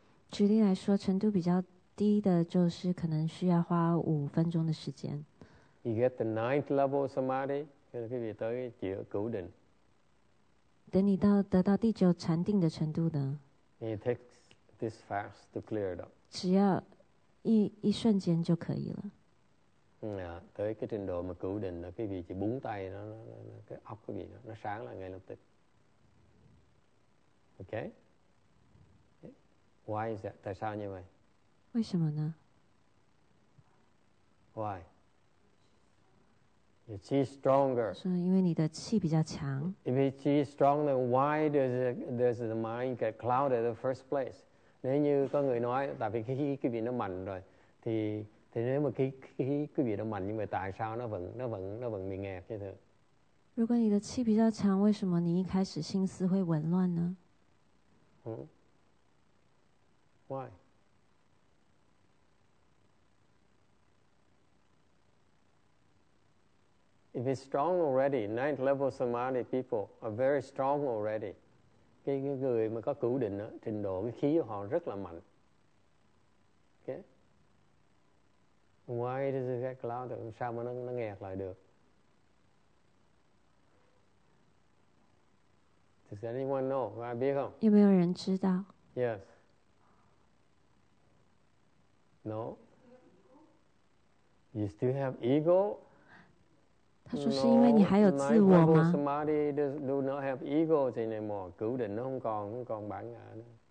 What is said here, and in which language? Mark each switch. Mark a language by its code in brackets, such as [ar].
[zh] 举例来说，程度比较低的，就是可能需要花5分钟的时间。 [en] You get the ninth level samadhi, [zh] 就是你到第九定。等你到得到第九禅定的程度呢 [en] ？It takes this fast to clear it up. [zh] 只要一瞬间就可以了。 [vi] 嗯啊，tới cái trình độ mà cửu định là cái vị chỉ búng tay nó cái óc cái vị nó sáng là ngay lập tức. [en] Okay. Why is that? [vi] Tại sao như vậy? [zh] 为什么呢 [en] ？Why? Your chi stronger. [zh] 是因为你的气比较强。 [en] If your chi is strong, then why does the mind get clouded in the first place? [vi] Nếu như có người nói, tại vì khi cái vị nó mạnh rồi, thì nếu mà khi cái vị nó mạnh nhưng mà tại sao nó vẫn bị nghẹt như thế? [zh] 如果你的气比较强，为什么你一开始心思会紊乱呢？嗯 [en] ，Why? If it's strong already, ninth level samadhi people are very strong already. [vi] Cái người mà có cửu định đó, trình độ cái khí của họ rất là mạnh. [en] Okay. Why does it get clouded? [vi] Sao mà nó nghẹt lại được? [en] Does anyone know? [vi] Có ai biết không? [zh] 有没有人知道? [en] Yes. No. You still have ego? [zh] 他说是因为你还有自我吗 [en] ？No, somebody does do not have ego anymore. [zh] 固定都 [vi] không còn bản ngã nữa.